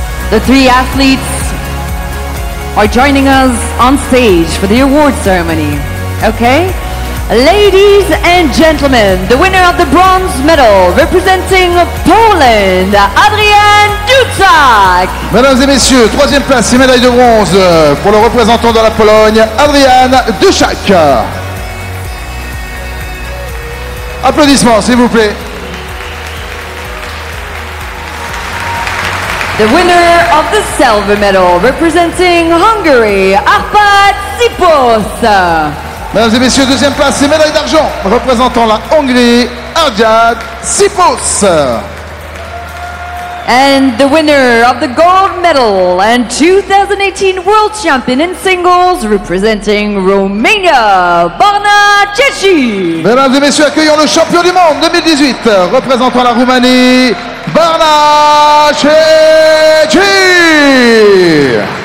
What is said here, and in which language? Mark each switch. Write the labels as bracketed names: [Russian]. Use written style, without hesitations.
[English] the three athletes are joining us on stage for the award ceremony. Okay, ladies and gentlemen, the winner of the bronze medal representing Poland, Adrian Dudzak. [French] Mesdames et messieurs, troisième place et médaille de bronze pour le représentant de la Pologne, Adrian Dudzak. Applaudissements, s'il vous plaît. [English] The winner of the silver medal representing Hungary, Arpad Sipos. [French] Mesdames et messieurs, deuxième place et médaille d'argent représentant la Hongrie, Arjad Sipos. [English] And the winner of the gold medal and 2018 world champion in singles representing Romania, Borna Checi. [French] Mesdames et messieurs, accueillons le champion du monde 2018 représentant la Roumanie, Borna Checi.